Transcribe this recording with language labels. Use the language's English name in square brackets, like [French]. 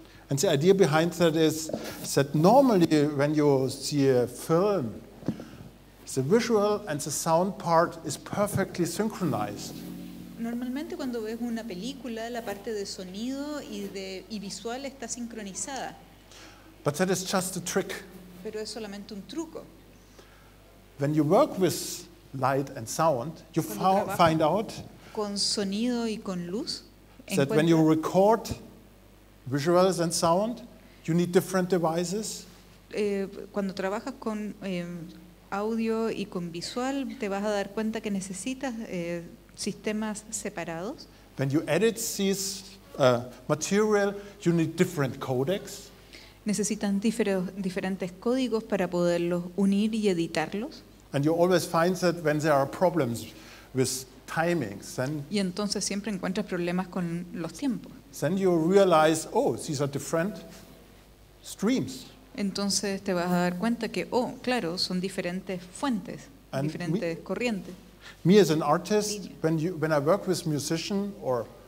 [English] And the idea behind that is that normally when you see a film, the visual and the sound part is perfectly synchronized. [Spanish] Normalmente cuando ves una película, la parte de sonido y visual está sincronizada. [English] But that is just a trick. [Spanish] Pero es solamente un truco. [English] When you work with light and sound, you find out [Spanish] con sonido y con luz, [English] that when you record visuals and sound, you need different devices. [Spanish] Cuando trabajas con audio y con visual, te vas a dar cuenta que necesitas sistemas separados. [English] When you edit this material, you need different codecs. [Spanish] Necesitan diferentes códigos para poderlos unir y editarlos. [English] And you always find that when there are problems with timings, then [Spanish] y entonces siempre encuentras problemas con los tiempos. [English] Then you realize, oh, these are different streams. [Spanish] Entonces te vas a dar cuenta que, oh, claro, son diferentes fuentes, [English] and [Spanish] diferentes corrientes. [English] Me as an artist, when I work with musicians or